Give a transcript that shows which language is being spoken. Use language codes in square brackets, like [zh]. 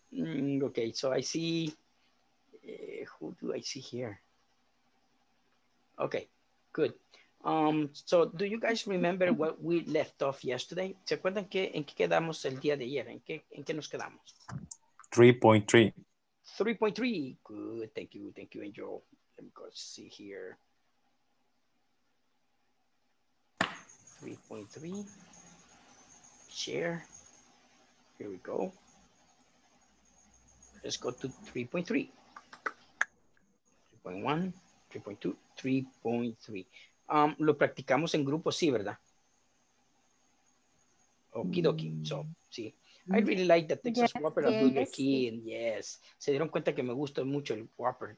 [en] Okay, so I see, who do I see here? Okay, good. So do you guys remember what we left off yesterday? [es] ¿Se acuerdan en qué quedamos el día de ayer? ¿En qué nos quedamos? [en] 3.3. 3.3. Good. Thank you, Angel. Let me go see here. 3.3. Share. Here we go. Let's go to 3.3. 3.1, 3.2, 3.3. [es] Lo practicamos en grupo, sí, ¿verdad? [en] Okidoki. So, sí. I really like the Texas Whopper of Burger King. Yes. [es] Se dieron cuenta que me gusta mucho el Whopper.